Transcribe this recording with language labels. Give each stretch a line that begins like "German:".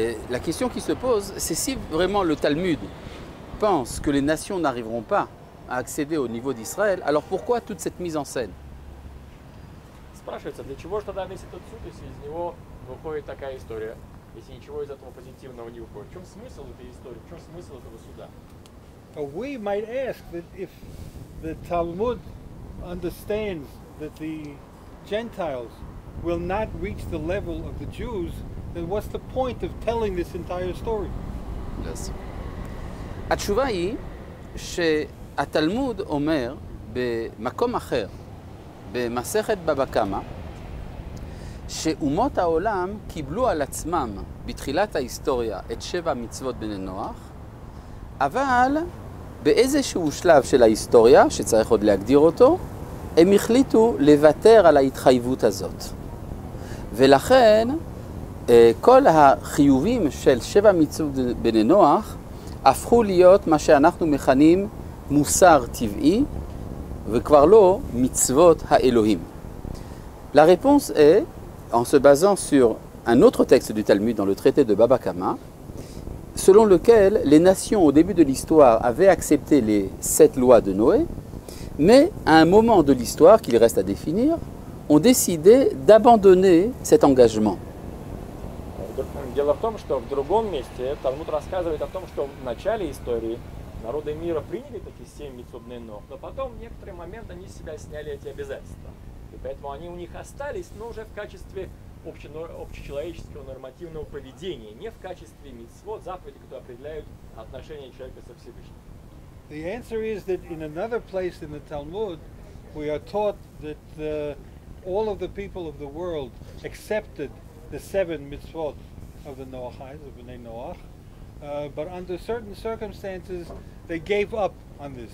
French: La question qui se pose, c'est si vraiment le Talmud pense que les nations n'arriveront pas à accéder au niveau d'Israël, alors pourquoi toute cette mise en scène?
Russian: Спрашивается, для чего же тогда весь этот суд, если из него выходит такая история, если ничего из этого позитивного не выходит? В чем смысл этой истории? В чем смысл этого суда?
English: We might ask that if the Talmud understands that the Gentiles will not reach the level of the Jews, then what's the point of telling this entire story? Yes.
Hebrew: התשובה היא שהתלמוד אומר במקום אחר, במסכת בבא קמא, שאומות העולם קיבלו על עצמם בתחילת ההיסטוריה את 7 מצוות בני נוח, אבל באיזשהו שלב של ההיסטוריה, שצריך עוד להגדיר אותו, הם החליטו לוותר על ההתחייבות הזאת. ולכן, כל החיובים של 7 מצוות בני נוח הפכו להיות מה שאנחנו מכנים מוסר טבעי וכבר לא מצוות האלוהים.
French: La réponse est, en se basant sur un autre texte du Talmud dans le traité de Baba Kama, selon lequel les nations au début de l'histoire avaient accepté les 7 lois de Noé, mais à un moment de l'histoire qu'il reste à définir, ont décidé d'abandonner cet engagement.
Russian: Дело в том, что в другом месте Талмуд рассказывает о том, что в начале истории народы мира приняли такие 7 мицвот бней ноах, но потом в некоторый момент они с себя сняли эти обязательства. И поэтому они у них остались, но уже в качестве общечеловеческого нормативного поведения, не в качестве мицвот, заповедей, которые определяют отношение человека со Всевышним.
English: The answer is that in another place in the Talmud we are taught that all of the people of the world accepted the 7 mitzvot. of the Noahites, of Bnei Noach, but under certain circumstances, they gave up on this.